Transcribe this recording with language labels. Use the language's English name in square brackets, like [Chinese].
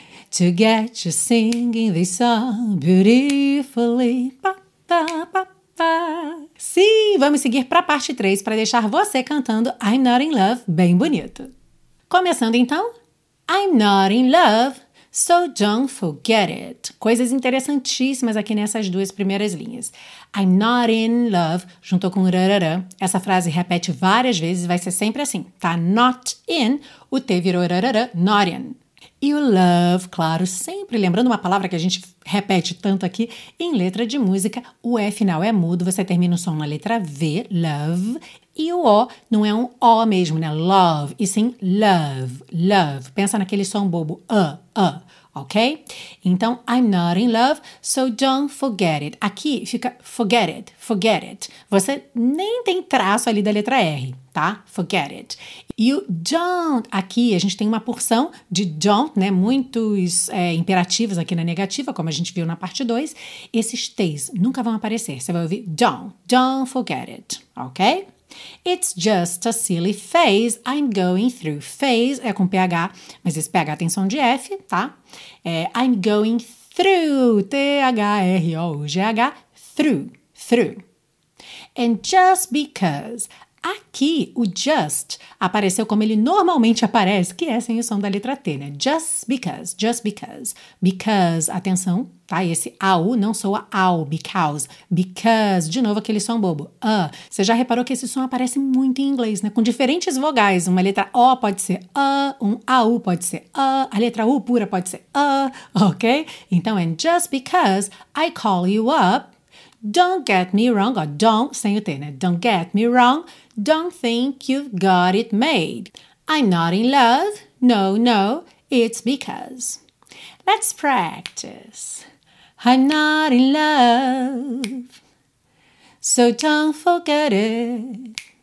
[English] To get you singing this song beautifully. Pa, pa, pa, pa. [Portuguese] Sim, vamos seguir para a parte 3 para deixar você cantando I'm Not In Love bem bonito. Começando então. I'm not in love, so don't forget it. Coisas interessantíssimas aqui nessas duas primeiras linhas. [English] I'm not in love, [Portuguese] junto com rarará. Essa frase repete várias vezes, vai ser sempre assim. Tá not in, o T virou rarará, not in. E o love, claro, sempre lembrando uma palavra que a gente repete tanto aqui, em letra de música, o E final é mudo, você termina o som na letra V, love, e o O não é um O mesmo, né? Love, e sim love, love. Pensa naquele som bobo, ok? Então, [English] I'm not in love, so don't forget it. [Portuguese] Aqui fica forget it, forget it. Você nem tem traço ali da letra R, tá? Forget it. E o don't, aqui a gente tem uma porção de don't, né? Muitos imperativos aqui na negativa, como a gente viu na parte 2. Esses T's nunca vão aparecer. Você vai ouvir [English] don't forget it, [Portuguese] ok? [English] It's just a silly phase, I'm going through. [Portuguese] Phase é com PH, mas esse PH tem som de F, tá? É, I'm going through, T-H-R-O-U-G-H, through. [English] And just because, [Portuguese] aqui o just apareceu como ele normalmente aparece, que é sem o som da letra T, né? Just because. Because, atenção, tá? E esse au não soa au, because. Because, de novo aquele som bobo. Você já reparou que esse som aparece muito em inglês, né? Com diferentes vogais. Uma letra O pode ser um au pode ser a letra U pura pode ser ok? Então, [English] and just because I call you up, don't get me wrong, [Portuguese] ou don't, sem o T, né? [English] Don't get me wrong, don't think you've got it made. I'm not in love, no, it's because. Let's practice. I'm not in love, so don't forget it.